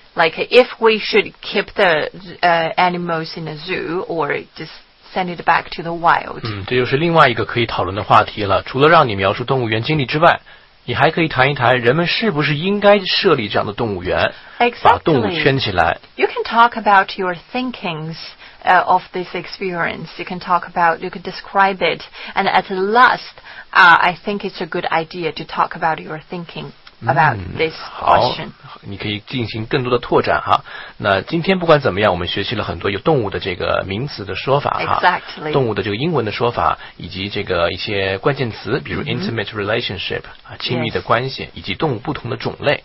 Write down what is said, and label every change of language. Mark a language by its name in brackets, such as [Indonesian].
[English] Like, if we should keep the animals in a zoo or just send it back to the wild. [Chinese] 嗯，这就是另外一个可以讨论的话题了。除了让你描述动物园经历之外，你还可以谈一谈人们是不是应该设立这样的动物园， [English] exactly. [Chinese] 把动物圈起来。 [English] You can talk about your thinkings of this experience. You can talk about, you can describe it. And at last, I think it's a good idea to talk about your thinking. About this question. [Chinese] 好，你可以进行更多的拓展哈。那今天不管怎么样，我们学习了很多有动物的这个名词的说法哈。 [English] Exactly. [Chinese] 动物的这个英文的说法，以及这个一些关键词，比如 [English] intimate relationship、 mm-hmm. [Chinese] 亲密的关系， [English] yes. [Chinese] 以及动物不同的种类。